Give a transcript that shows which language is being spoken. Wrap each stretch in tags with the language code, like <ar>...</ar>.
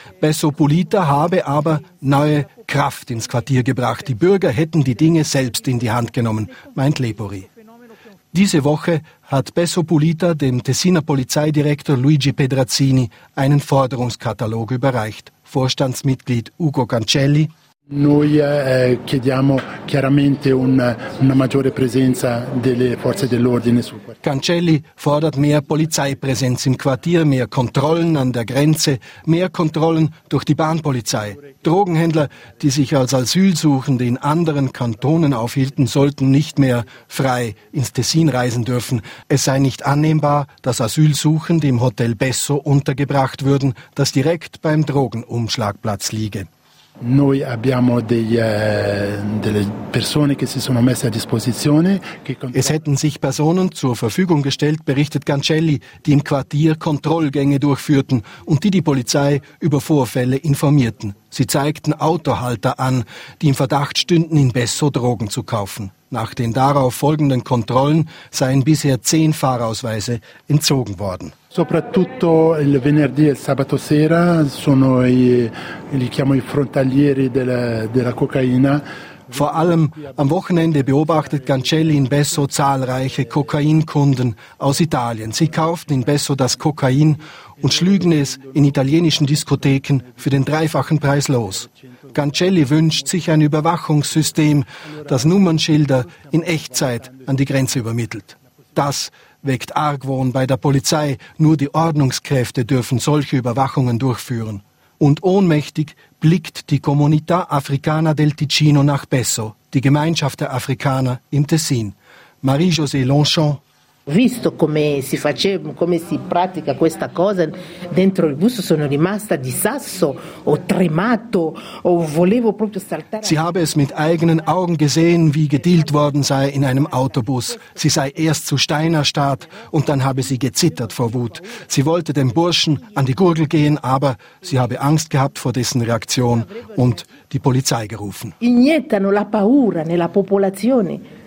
<de>Besso Pulita habe aber neue Kraft ins Quartier gebracht. Die Bürger hätten die Dinge selbst in die Hand genommen, meint Lepori. Diese Woche hat Besso Pulita dem Tessiner Polizeidirektor Luigi Pedrazzini einen Forderungskatalog überreicht. Vorstandsmitglied Ugo Cancelli.</de> <it>Noi chiediamo chiaramente una maggiore presenza delle forze dell'ordine sul quartiere.</it> <de>Cancelli fordert mehr Polizeipräsenz im Quartier, mehr Kontrollen an der Grenze, mehr Kontrollen durch die Bahnpolizei. Drogenhändler, die sich als Asylsuchende in anderen Kantonen aufhielten, sollten nicht mehr frei ins Tessin reisen dürfen. Es sei nicht annehmbar, dass Asylsuchende im Hotel Besso untergebracht würden, das direkt beim Drogenumschlagplatz liege.</de> <it>Noi abbiamo delle persone che si sono messe a disposizione.</it> <de>Es hätten sich Personen zur Verfügung gestellt, berichtet Cancelli, die im Quartier Kontrollgänge durchführten und die Polizei über Vorfälle informierten. Sie zeigten Autohalter an, die im Verdacht stünden, in Besso Drogen zu kaufen. Nach den darauf folgenden Kontrollen seien bisher 10 Fahrausweise entzogen worden.</de> <it>Soprattutto il venerdì e il sabato sera sono li chiamo i frontalieri della cocaina.</it> <de>Vor allem am Wochenende beobachtet Cancelli in Besso zahlreiche Kokainkunden aus Italien. Sie kauften in Besso das Kokain und schlügen es in italienischen Diskotheken für den dreifachen Preis los. Cancelli wünscht sich ein Überwachungssystem, das Nummernschilder in Echtzeit an die Grenze übermittelt. Das weckt Argwohn bei der Polizei. Nur die Ordnungskräfte dürfen solche Überwachungen durchführen. Und ohnmächtig blickt die Comunità Africana del Ticino nach Besso, die Gemeinschaft der Afrikaner im Tessin. Marie-José Longchamp.</de> <it>Visto come si pratica questa cosa dentro il bus, sono rimasta di sasso, ho tremato, ho volevo proprio saltare.</it> <de>Sie habe es mit eigenen Augen gesehen, wie gedealt worden sei in einem Autobus. Sie sei erst zu Stein erstarrt und dann habe sie gezittert vor Wut. Sie wollte dem Burschen an die Gurgel gehen, aber sie habe Angst gehabt vor dessen Reaktion und die Polizei gerufen.</de> <it>Iniettano la paura nella popolazione.</it>